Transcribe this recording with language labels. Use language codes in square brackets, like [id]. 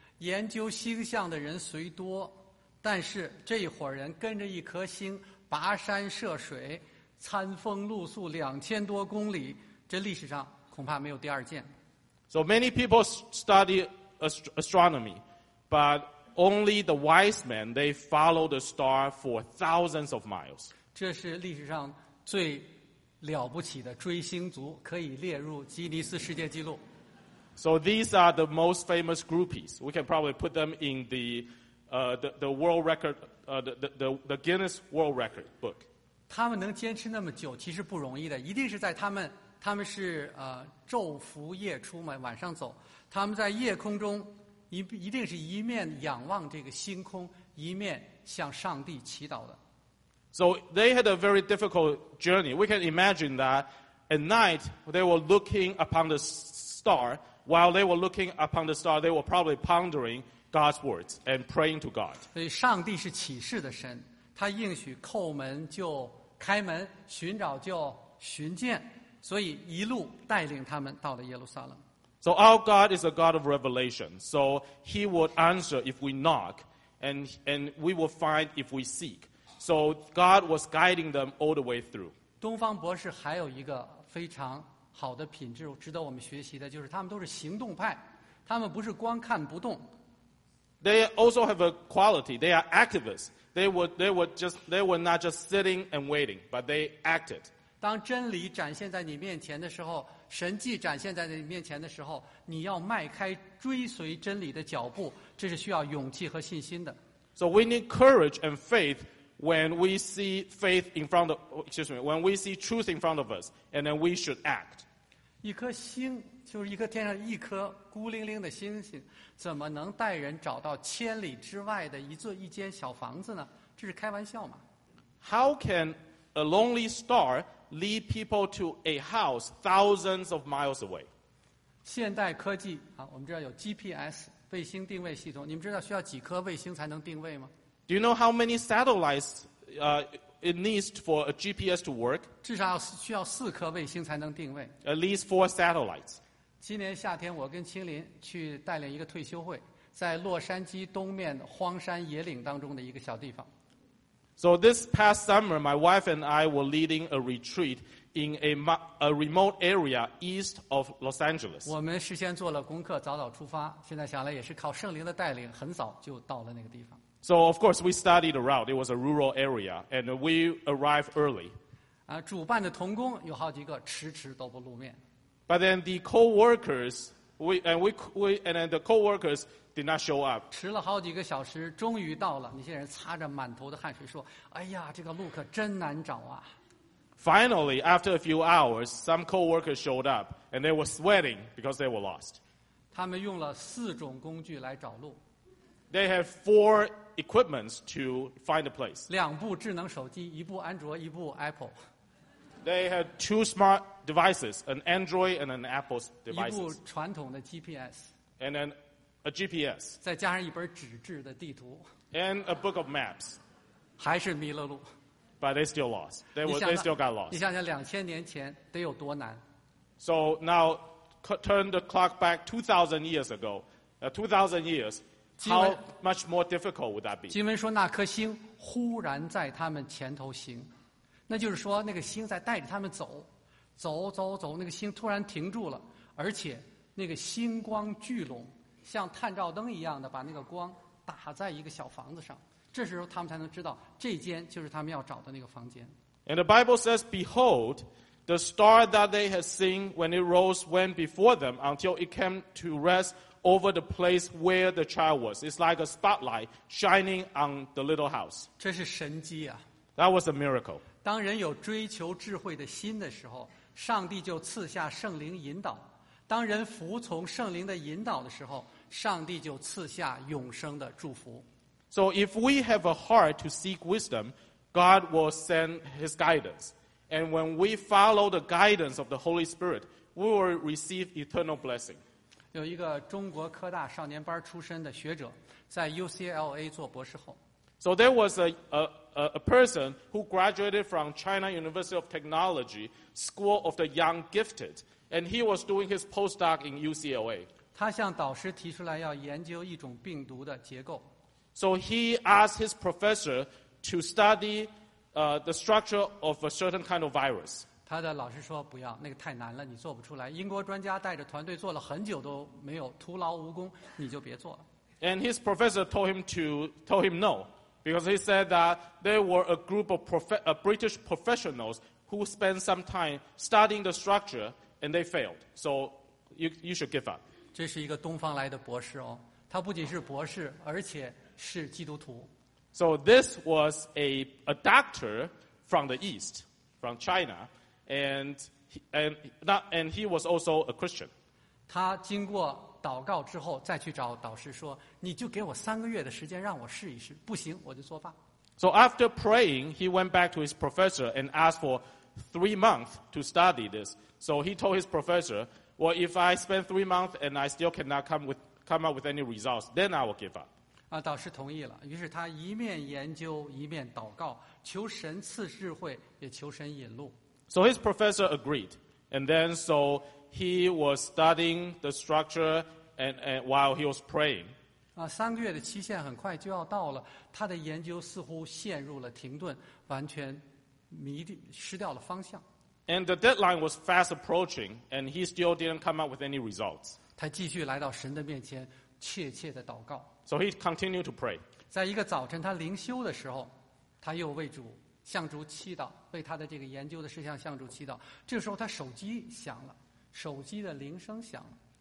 [zh] 研究星象的人虽多，但是这一伙人跟着一颗星跋山涉水，餐风露宿2000多公里。这历史上恐怕没有第二件。 [en] So many people study astronomy, but only the wise men they follow the star for thousands of miles. [zh] 这是历史上最了不起的追星族，可以列入吉尼斯世界纪录。 [en] So these are the most famous groupies. We can probably put them in the Guinness World Record book. [zh] 他们能坚持那么久，其实不容易的。一定是在他们是昼伏夜出嘛，晚上走。他们在夜空中一定是一面仰望这个星空，一面向上帝祈祷的。 [en] So they had a very difficult journey. We can imagine that at night they were looking upon the star. While they were looking upon the star, they were probably pondering God's words and praying to God. [zh] 所以上帝是启示的神，他应许叩门就开门，寻找就寻见，所以一路带领他们到了耶路撒冷。 [en] So our God is a God of revelation. So He would answer if we knock, and we will find if we seek. So God was guiding them all the way through. [zh] 东方博士还有一个非常好的品质，值得我们学习的，就是他们都是行动派，他们不是光看不动。 [en] They also have a quality. They are activists. They were not just sitting and waiting, but they acted. [zh] 当真理展现在你面前的时候，神迹展现在你面前的时候，你要迈开追随真理的脚步，这是需要勇气和信心的。 [en] So we need courage and faith when we see faith in front of, excuse me, when we see truth in front of us, and then we should act. [zh] 一颗星就是一颗天上一颗孤零零的星星，怎么能带人找到千里之外的一间小房子呢？这是开玩笑吗 [en] ？How can a lonely star lead people to a house thousands of miles away？ [zh] 现代科技啊，我们知道有 GPS 卫星定位系统，你们知道需要几颗卫星才能定位吗 [en] ？Do you know how many satellites it needs for a GPS to work？ [zh] 至少需要四颗卫星才能定位。 [en] At least four satellites。 [zh] 今年夏天，我跟青林去带领一个退休会，在洛杉矶东面荒山野岭当中的一个小地方。 [en] So this past summer, my wife and I were leading a retreat in a remote area east of Los Angeles. [zh] 我们事先做了功课，早早出发。现在想来，也是靠圣灵的带领，很早就到了那个地方。 [en] So of course we studied the route. It was a rural area, and we arrived early. [zh] 啊，主办的同工有好几个迟迟都不露面。 [en] But then the co-workers, the co-workers did not show up. [zh] 迟了好几个小时，终于到了。那些人擦着满头的汗水说：“哎呀，这个路可真难找啊。” [en] Finally, after a few hours, some co-workers showed up, and they were sweating because they were lost. [zh] 他们用了四种工具来找路。 [en] They had four equipments to find a place. [zh] 两部智能手机，一部安卓，一部 Apple。 [en] They had two smart devices, an Android and an Apple's devices. [zh] 一部传统的 GPS. [en] And then a GPS. [zh] 再加上一本纸质的地图。 [en] And a book of maps. [zh] 还是迷了路。 [en] But they still lost. They still got lost. [zh] 你想想2000年前得有多难。 [en] So now turn the clock back 2000 years ago. 2000 years, how much more difficult would that be? [zh] 经文说那颗星忽然在他们前头行。那就是说那个星在带着他们走走走走那个星突然停住了而且那个星光聚拢像探照灯一样的把那个光打在一个小房子上这时候他们才能知道这间就是他们要找的那个房间 [en] And the Bible says Behold the star that they had seen when it rose went before them until it came to rest over the place where the child was It's like a spotlight shining on the little house [zh] 这是神迹啊 [en] That was a miracle [zh] 当人有追求智慧的心的时候上帝就赐下圣灵引导当人服从圣灵的引导的时候上帝就赐下永生的祝福 [en] So if we have a heart to seek wisdom God will send his guidance And when we follow the guidance of the Holy Spirit We will receive eternal blessing [zh] 有一个中国科大少年班出身的学者在 UCLA 做博士后 [en] So there was a person who graduated from China University of Technology School of the Young Gifted and he was doing his postdoc in UCLA [zh] 他向导师提出来要研究一种病毒的结构 [en] So he asked his professor to study the structure of a certain kind of virus [zh] 他的老师说不要那个太难了你做不出来英国专家带着团队做了很久都没有徒劳无功你就别做了 [en] And his professor told him noBecause he said that there were a group of British professionals who spent some time studying the structure and they failed. So you should give up. [zh] 这是一个东方来的博士哦，他不仅是博士，而且是基督徒。 [en] So this was a doctor from the East, from China, and he was also a Christian. [zh] 他经过祷告之后，再去找导师说：“你就给我三个月的时间，让我试一试。不行，我就作罢。” [en] So after praying, he went back to his professor and asked for 3 months to study this. So he told his professor, "Well, if I spend 3 months and I still cannot come up with any results, then I will give up." [zh] 啊，导师同意了。于是他一面研究，一面祷告，求神赐智慧，也求神引路。 [en] So his professor agreed, and then so he was studying the structure and while he was praying. [zh] 啊，三个月的期限很快就要到了，他的研究似乎陷入了停顿，完全失掉了方向。 [en] And the deadline was fast approaching, and he still didn't come up with any results. [zh] 他继续来到神的面前，切切的祷告。 [en] So he continued to pray. [zh] 在一个早晨，他灵修的时候，他又为主向主祈祷，为他的这个研究的事项向主祈祷。这个时候，他手机响了，手机的铃声响了。